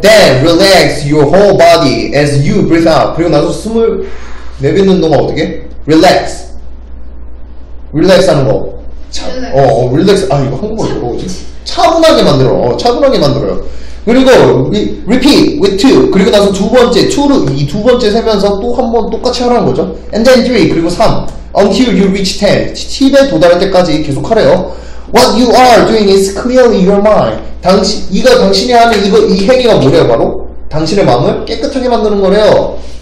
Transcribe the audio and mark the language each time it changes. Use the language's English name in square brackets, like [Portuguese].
[English] Then relax your whole body as you breathe out. [Korean] 그리고 나서 숨을 내뱉는 동안 어떻게? Relax 하는 거. 릴렉스. 아, 이거 한국어로 뭐지? 차분하게 만들어. 차분하게 만들어요. 그리고 [English] repeat with two. [Korean] 그리고 나서 두 번째, 2로 이 두 번째 세면서 또 한 번 똑같이 하라는 거죠. [English] And then 3, [Korean] 그리고 3. [English] Until you reach 10. [Korean] 10에 도달할 때까지 계속 하래요. [English] What you are doing is clearly your mind. [Korean] 당신이 하는 이거 이 행위가 뭐래요, 바로? 당신의 마음을 깨끗하게 만드는 거래요.